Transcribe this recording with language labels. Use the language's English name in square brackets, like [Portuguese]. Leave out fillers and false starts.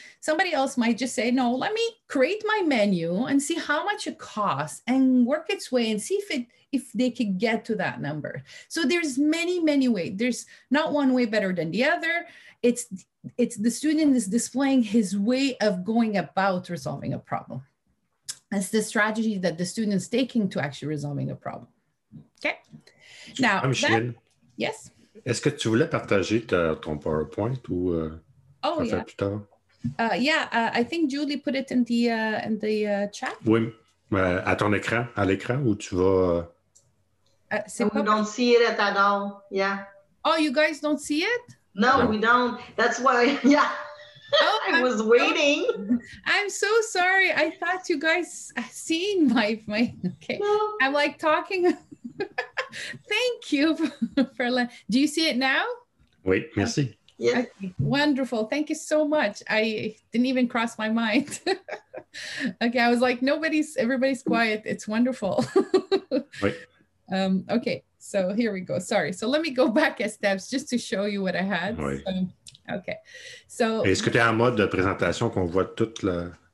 [English] Somebody else might just say, no, let me create my menu and see how much it costs and work its way and see if they could get to that number. So there's many, many ways. There's not one way better than the other. It's the student is displaying his way of going about resolving a problem. It's the strategy that the student's taking to actually resolving a problem. Okay. Now, Micheline. Yes. [French] Est-ce que tu voulais partager ton PowerPoint ou plus tard? [English] I think Julie put it in the chat. [French] Oui. À ton écran, à l'écran où tu vas. [English] We don't see it at all. Yeah. Oh, you guys don't see it? No, we don't. That's why, I was waiting. I'm so sorry. I thought you guys seen my okay. No. I'm like talking. Thank you for do you see it now? [French] Oui, merci. [English] Yeah. Okay. Wonderful. Thank you so much. I didn't even cross my mind. Okay, I was like, everybody's quiet. It's wonderful. [French] Oui. [English] Okay. So here we go. Sorry. So let me go back a steps just to show you what I had. [French] Oui. [English] Okay. So [French] est-ce que tu es en mode de présentation qu'on voit toute la